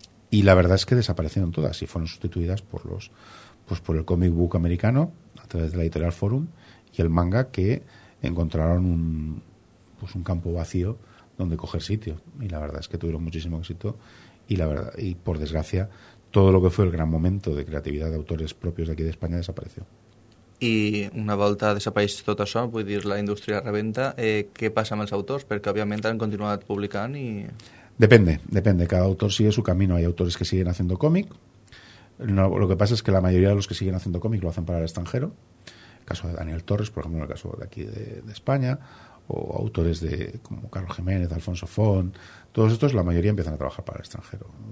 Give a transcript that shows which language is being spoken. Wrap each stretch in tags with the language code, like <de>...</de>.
<es>Y la verdad es que desaparecieron todas y fueron sustituidas por el comic book americano a través de la editorial Forum y el manga, que encontraron un campo vacío donde coger sitio. Y la verdad es que tuvieron muchísimo éxito y por desgracia todo lo que fue el gran momento de creatividad de autores propios de aquí de España desapareció.</es> <ca>I una volta desapareix tot això, vull dir, la indústria rebenta, què passa amb els autors? Perquè òbviament han continuat publicant i...</ca> <es>Depende, cada autor sigue su camino. Hay autores que siguen haciendo cómic. No, lo que pasa es que la mayoría de los que siguen haciendo cómic lo hacen para el extranjero. El caso de Daniel Torres, por ejemplo, en el caso de aquí de España, o autores de como Carlos Jiménez, Alfonso Font, todos estos, la mayoría empiezan a trabajar para el extranjero.</es>